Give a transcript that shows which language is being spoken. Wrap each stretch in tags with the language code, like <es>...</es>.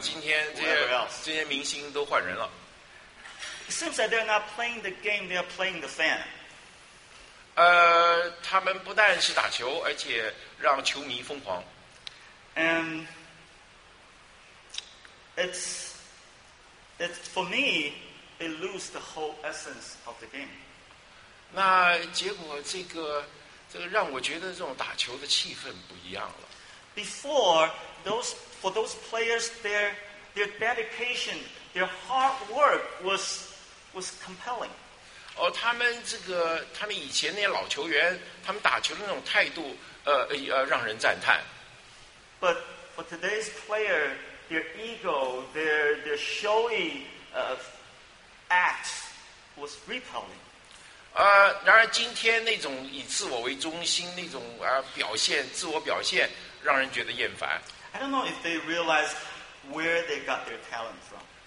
<zh>今天这些明星都换人了。</zh> <en>It seems that they're not playing the game, they're playing the fan.</en> <zh>他们不但是打球，而且让球迷疯狂。</zh> <en>And it's for me, it loses the whole essence of the game.</en> <zh>那结果这个让我觉得这种打球的气氛不一样了。</zh> <en>Before those players, their dedication, their hard work was compelling.</en> <zh>哦，他们这个他们以前那些老球员，他们打球的那种态度，让人赞叹。</zh> <en>But for today's player, their ego, their showy act was repelling.</en> <zh>然而今天那种以自我为中心那种表现，自我表现，让人觉得厌烦。</zh> <en>I don't know if they realize where they got their talent from.</en>